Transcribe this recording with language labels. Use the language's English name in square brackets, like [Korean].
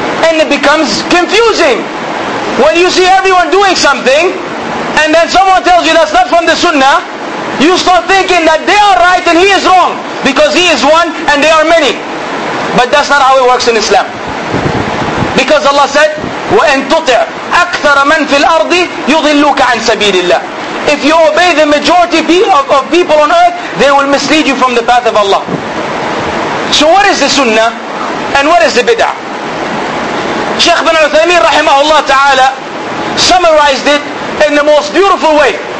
[English] And it becomes confusing. When you see everyone doing something, and then someone tells you that's not from the sunnah, you start thinking that they are right and he is wrong, because he is one and they are many. But that's not how it works in Islam. Because Allah said, [Arabic] وَإِن تُطِعْ أَكْثَرَ مَن فِي الْأَرْضِ يُضِلُّكَ عَن سَبِيلِ اللَّهِ. [English] If you obey the majority of people on earth, they will mislead you from the path of Allah. So what is the sunnah? And what is the bid'ah? Shaykh bin Uthaymeen rahimahullah ta'ala summarized it in the most beautiful way.